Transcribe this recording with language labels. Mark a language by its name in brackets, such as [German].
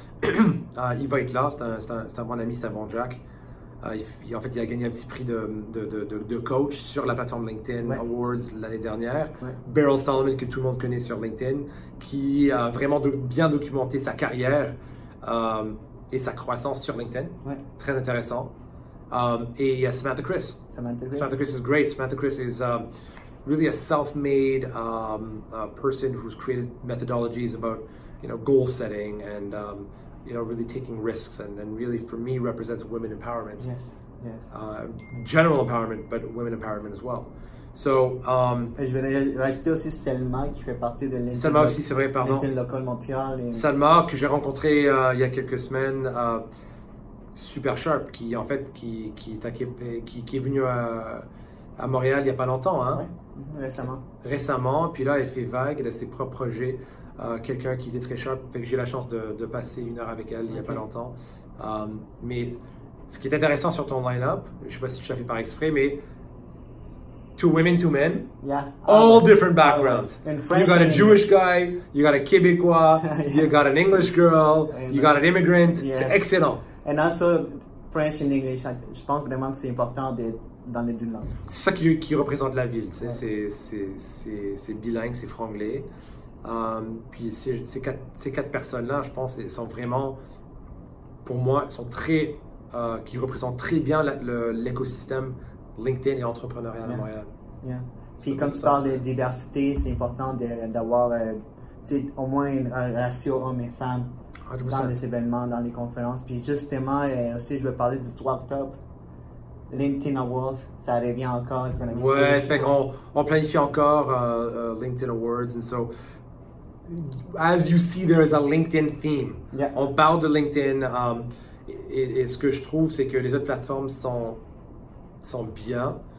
[French] il va être là, c'est un bon ami, c'est un bon Jack. Il a gagné un petit prix de coach sur la plateforme LinkedIn, ouais. Awards l'année dernière. Ouais. Beryl Solomon, que tout le monde connaît sur LinkedIn, qui a vraiment bien documenté sa carrière et sa croissance sur LinkedIn. Ouais. Très intéressant. Et il y a Samantha Chris. [English] Samantha Chris is great. Samantha Chris is really a self-made person who's created methodologies about, you know, goal setting and you know, really taking risks, and really for me represents women empowerment. Yes, yes. General empowerment, but women empowerment as well. So. [French] Je vais rajouter aussi Selma qui fait partie de LinkedIn. Selma aussi, c'est vrai, pardon. LinkedIn local Montréal. Et... Selma que j'ai rencontré il y a quelques semaines, super sharp, qui en fait qui est venu à Montréal il y a pas longtemps, hein. Ouais, récemment. Récemment, puis là elle fait vague, elle a ses propres projets. Quelqu'un qui était très sharp, fait que j'ai eu la chance de passer une heure avec elle il n'y a pas longtemps. Mais ce qui est intéressant sur ton line-up, je ne sais pas si tu l'as fait par exprès, mais [English] two women, two men, yeah. All different backgrounds. French, you got a Jewish guy, you got a Québécois, yeah. You got an English girl, you got an immigrant, yeah. [French] C'est excellent. [English] And also French and English, [French] je pense vraiment que c'est important d'être dans les deux langues. C'est ça qui représente la ville, tu sais. [English] Yeah. [French] c'est bilingue, c'est franglais. Puis ces quatre personnes-là, je pense, sont vraiment, pour moi, sont très, qui représentent très bien l'écosystème LinkedIn et entrepreneurial [English] yeah. [French] à Montréal. [English] Yeah. [French] Puis comme tu parles de diversité, c'est important d'avoir au moins un ratio homme et femme dans les événements, dans les conférences. Puis justement, aussi, je veux parler du 3 octobre. LinkedIn Awards, ça revient encore. Ouais, fait qu'on planifie encore LinkedIn Awards. [English] And so, as you see, there is a LinkedIn theme. Yeah. [French] On parle de LinkedIn. Et ce que je trouve, c'est que les autres plateformes sont bien.